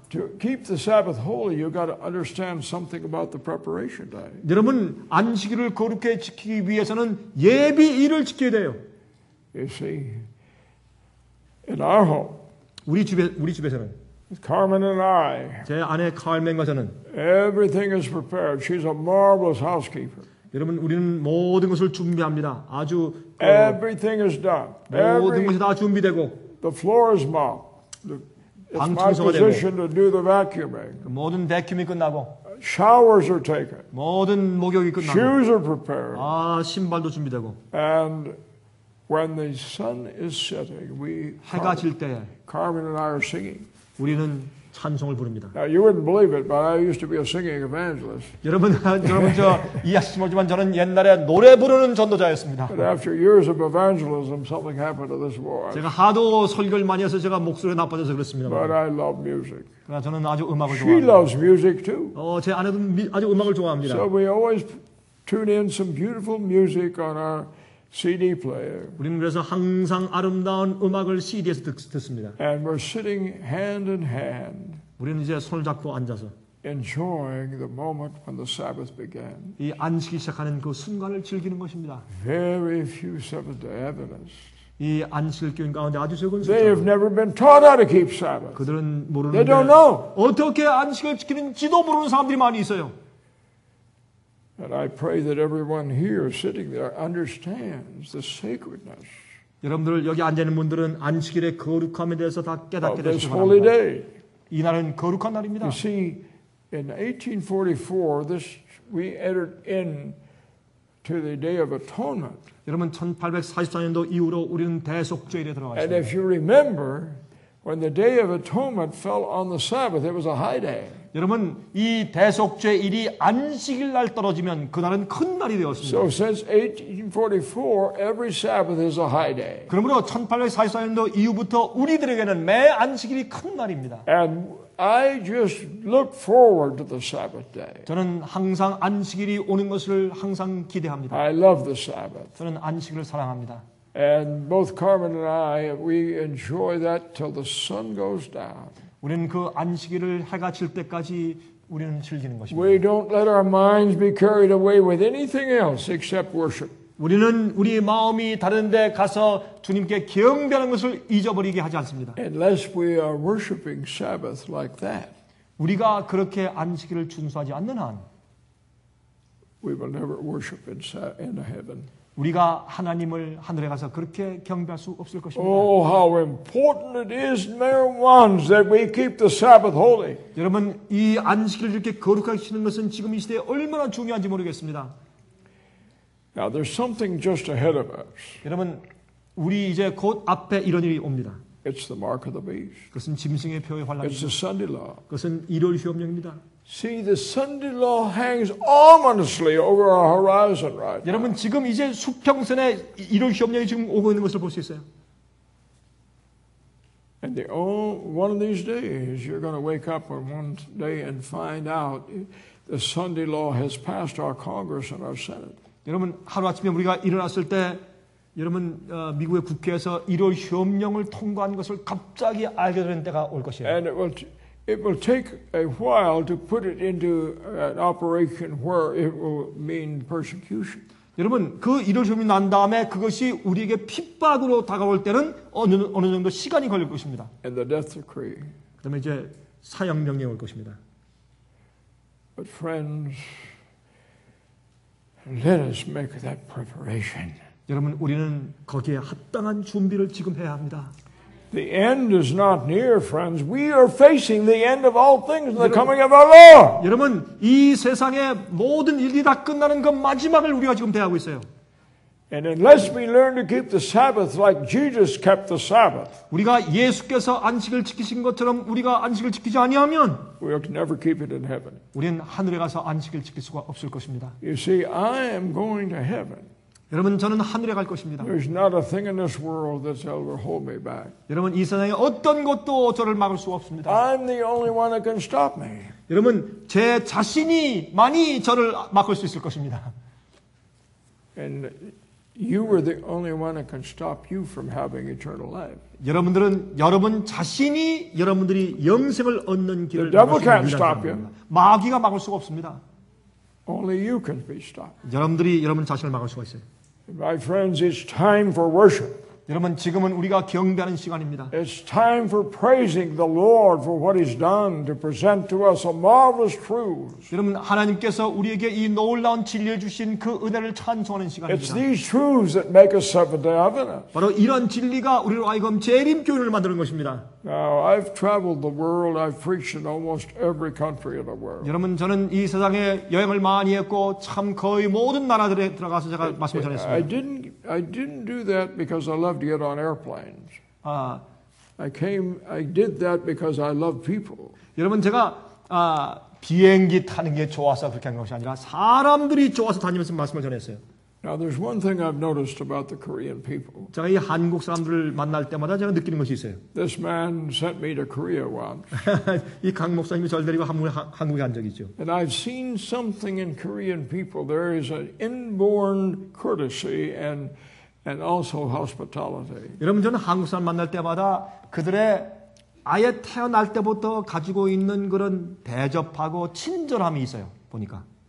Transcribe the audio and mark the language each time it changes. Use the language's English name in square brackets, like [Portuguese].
[English] To keep the Sabbath holy, you've got to understand something about the preparation day. [Korean] 여러분, 안식일을 거룩하게 지키기 위해서는 예비 일을 지켜야 돼요. [English] You see, in our home, [Korean] 우리 집에서는. [English] Carmen and I. [Korean] 제 아내 칼맨과 저는. [English] Everything is prepared. She's a marvelous housekeeper. [Korean] 여러분 우리는 모든 것을 준비합니다. 아주. [English] Everything is done. [Korean] 모든 것이 다 준비되고. [English] The floor is mopped. It's my position to do the vacuuming. [Korean] 모든 vacuum이 끝나고. [English] Showers are taken. [Korean] 모든 목욕이 끝나고. [English] Shoes are prepared. [Korean] 신발도 준비되고. [English] And when the sun is setting, we. [Korean] 해가 질 때. [English] Carmen and I are singing. [Korean] 우리는 찬송을 부릅니다. [English] Now, you wouldn't believe it, but I used to be a singing evangelist. [Korean] 여러분 저 이해하시지 모르지만 저는 옛날에 노래 부르는 전도자였습니다. [English] But after years of evangelism, something happened to this voice. [Korean] 제가 하도 설교를 많이 해서 제가 목소리가 나빠져서 그렇습니다. [English] But I love music. [Korean] 그러나 저는 아주 음악을 [English] She [Korean] 좋아합니다. [English] She loves music too. [Korean] 제 아내도 아주 음악을 좋아합니다. [English] So we always tune in some beautiful music on our CD player. [Korean] 우리는 그래서 항상 아름다운 음악을 CD에서 듣습니다. [English] And we're sitting hand in hand. [Korean] 우리는 이제 손을 잡고 앉아서. [English] Enjoying the moment when the Sabbath began. [Korean] 이 안식이 시작하는 그 순간을 즐기는 것입니다. [English] Very few Seventh-day Adventists. [Korean] 이 안식일 교인 가운데 아주 적은 숫자. [English] They have never been taught how to keep Sabbath. [Korean] 그들은 모르는. [English] They don't know. [Korean] 어떻게 안식일 지키는지도 모르는 사람들이 많이 있어요. [English] And I pray that everyone here sitting there understands the sacredness. [Korean] 여러분들 여기 앉아 있는 분들은 안식일의 거룩함에 대해서 다 깨닫게 되시기 바랍니다. [English] This holy day. [Korean] 이 날은 거룩한 날입니다. [English] You see, in 1844, this we entered in. To the Day of Atonement. [Korean] 여러분 1844년도 이후로 우리는 대속죄일에 들어왔어요. [English] And if you remember, when the Day of Atonement fell on the Sabbath, it was a high day. [Korean] 여러분 이 대속죄일이 안식일 날 떨어지면 그날은 큰 날이 되었습니다. [English] So since 1844, every Sabbath is a high day. [Korean] 그러므로 1844년도 이후부터 우리들에게는 매 안식일이 큰 날입니다. [English] And I just look forward to the Sabbath day. [Korean] 저는 항상 안식일이 오는 것을 항상 기대합니다. [English] I love the Sabbath. [Korean] 저는 안식일을 사랑합니다. [English] And both Carmen and I, we enjoy that till the sun goes down. [Korean] 우리는 그 안식일을 해가 질 때까지 우리는 즐기는 것입니다. [English] We don't let our minds be carried away with anything else except worship. [Korean] 우리는 우리 마음이 다른 데 가서 주님께 경배하는 것을 잊어버리게 하지 않습니다. [English] Unless we are worshiping Sabbath like that. [Korean] 우리가 그렇게 안식일을 준수하지 않는 한 [English] we will never worship in heaven. [Korean] 우리가 하나님을 하늘에 가서 그렇게 경배할 수 없을 것입니다. [English] Oh, how important it is, dear ones, that we keep the Sabbath holy. [Korean] 여러분, 이 안식일을 이렇게 거룩하게 지키는 것은 지금 이 시대에 얼마나 중요한지 모르겠습니다. [English] Now there's something just ahead of us. [Korean] 여러분, 우리 이제 곧 앞에 이런 일이 옵니다. [English] It's the mark of the beast. [Korean] 그것은 짐승의 표의 환란입니다. [English] It's the Sunday law. [Korean] 그것은 일요일 휴업령입니다. [English] See, the Sunday law hangs ominously over our horizon right now. [Korean] 여러분, 지금 이제 수평선에 일요일 휴업령이 지금 오고 있는 것을 볼 수 있어요. [English] And the one of these days, you're going to wake up one day and find out the Sunday law has passed our Congress and our Senate. [Korean] 여러분 하루아침에 우리가 일어났을 때 여러분 미국의 국회에서 일요일 휴업령을 통과한 것을 갑자기 알게 되는 때가 올 것이에요. [English] And it will take a while to put it into an operation where it will mean persecution. [Korean] 여러분 그 일요일 휴업령이 난 다음에 그것이 우리에게 핍박으로 다가올 때는 어느 정도 시간이 걸릴 것입니다. [English] And the death decree. [Korean] 그다음에 이제 사형명령이 올 것입니다. [English] But friends, Let us make that preparation. [Korean] 여러분, 우리는 거기에 합당한 준비를 지금 해야 합니다. [English] The end is not near, friends. We are facing the end of all things, the coming of our Lord. [Korean] 여러분, 이 세상의 모든 일이 다 끝나는 그 마지막을 우리가 지금 대하고 있어요. [English] And unless we learn to keep the Sabbath like Jesus kept the Sabbath, [Korean] 우리가 예수께서 안식을 지키신 것처럼 우리가 안식을 지키지 아니하면, [English] we will never keep it in heaven. [Korean] 우리는 하늘에 가서 안식을 지킬 수가 없을 것입니다. [English] You see, I am going to heaven. [Korean] 여러분, 저는 하늘에 갈 것입니다. [English] There's not a thing in this world that's ever hold me back. [Korean] 여러분, 이 세상에 어떤 것도 저를 막을 수 없습니다. [English] I'm the only one that can stop me. [Korean] 여러분, 제 자신이만이 저를 막을 수 있을 것입니다. [English] And You were the only one that can stop you from having eternal life. [Korean] 여러분들은 여러분 자신이 여러분들이 영생을 얻는 길을 [English] The devil can't stop you. [Korean] 마귀가 막을 수가 없습니다. [English] Only you can be stopped. [Korean] 여러분들이 여러분 자신을 막을 수가 있어요. [English] My friends, it's time for worship. [Korean] 여러분 지금은 우리가 경배하는 시간입니다. [English] It's time for praising the Lord for what He's done to present to us a marvelous truth. [Korean] 여러분 하나님께서 우리에게 이 놀라운 진리를 주신 그 은혜를 찬송하는 시간입니다. [English] It's these truths that make us Seventh-day Adventists. [Korean] 바로 이런 진리가 우리로 하여금 재림교회를 만드는 것입니다. [English] Now I've traveled the world. I've preached in almost every country in the world. [Korean] 여러분 저는 이 세상에 여행을 많이 했고 참 거의 모든 나라들에 들어가서 제가 말씀을 전했습니다. [English] I didn't do that because I love to get on airplanes. I did that because I love people. [Korean] 여러분 제가 비행기 타는 게 좋아서 그렇게 한 것이 아니라 사람들이 좋아서 다니면서 말씀을 전했어요. [English] Now there's one thing I've noticed about the Korean people. [Korean] 제가 이 한국 사람들을 만날 때마다 제가 느끼는 것이 있어요. [English] This man sent me to Korea once. [Korean] 이 강 목사님이 저를 데리고 한국에 간 적이 있죠. [English] And I've seen something in Korean people. There is an inborn courtesy and also hospitality. [Korean] 여러분 저는 한국 사람 만날 때마다 그들의 아예 태어날 때부터 가지고 있는 그런 대접하고 친절함이 있어요. 보니까.